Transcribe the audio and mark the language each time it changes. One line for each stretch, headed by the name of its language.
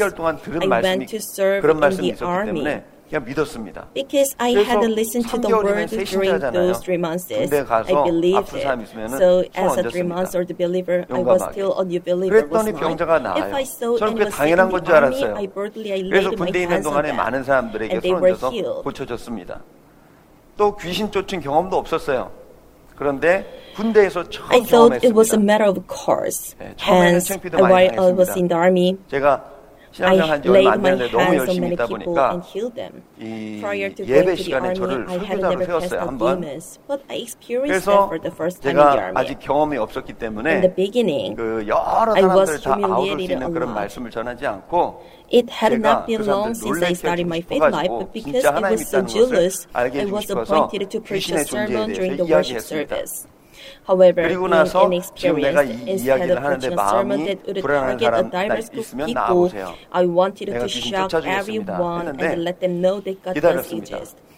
English: I went to serve in the army because I had listened to the word during those 3 months. I believed it. So as a 3 months old believer, I was still a new believer. If I saw anyone sick in the army, I boldly laid my hands on them, and they were healed.
Korean: 또 귀신 쫓은 경험도 없었어요. 그런데 군대에서 처음 경험했습니다.
English: I thought it was a matter of course.
Korean: 네,
English: and while I was in the army,
Korean: 제가 신앙생활 한 지 얼마 안 됐는데 너무 열심히 있다 보니까 이 예배 시간에 저를 설교자로 세웠어요. 한번. 그래서 제가 아직 경험이 없었기 때문에 그 여러 사람들 다 아우를 수 있는 그런 말씀을 전하지 않고
English: It had not been long since I started my faith life, but because I was so jealous, I was appointed to preach a sermon during the worship service. However, being inexperienced, instead of preaching a sermon that would target a diverse group of people, I wanted to shock everyone and let them know that God does exist.